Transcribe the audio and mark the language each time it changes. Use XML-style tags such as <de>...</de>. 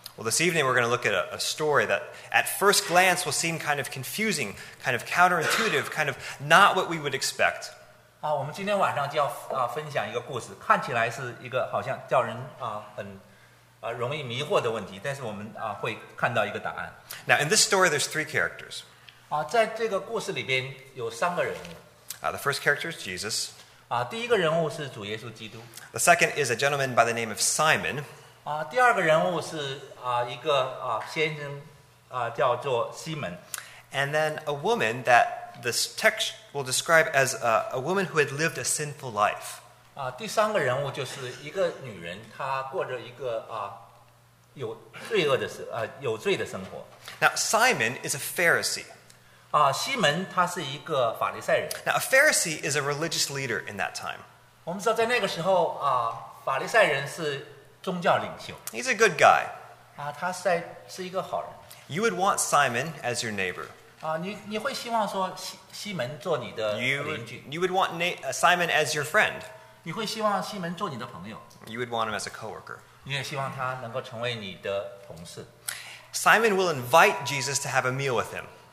<en>Well, this evening we're going to look at a story that at first glance will seem kind of confusing, kind of counterintuitive, kind of not what we would expect.</en> <zh>我们今天晚上就要分享一个故事，看起来是一个好像叫人很容易迷惑的问题，但是我们会看到一个答案。</zh> <en>Now, in this story, there's three characters.</en> <zh>在这个故事里边有三个人物。</zh> <en>The first character is Jesus.</en> <zh>第一个人物是主耶稣基督。</zh> <en>The second is a gentleman by the name of Simon.</en> <zh>第二个人物是一个先生，叫做西门。</zh> <en>And then a woman that this text will describe as a woman who had lived a sinful life.</en> <zh>第三个人物就是一个女人，她过着一个有罪的生活。</zh> <en>Now Simon is a Pharisee.</en> <zh>西门他是一个法利赛人。</zh> <en>Now a Pharisee is a religious leader in that time.</en> <zh>我们知道在那个时候, 法利赛人是宗教领袖。</zh> <en>He's a good guy.</en> <zh>他是一个好人。</zh> <en>You would want Simon as your neighbor.</en> <zh>你会希望说西门做你的邻居。</zh> <en>You would want Simon as your friend.</en> <zh>你会希望西门做你的朋友。</zh> <en>You would want him as a coworker.</en> <zh>你也希望他能够成为你的同事。</zh> <en>Simon will invite Jesus to have a meal with him.</en>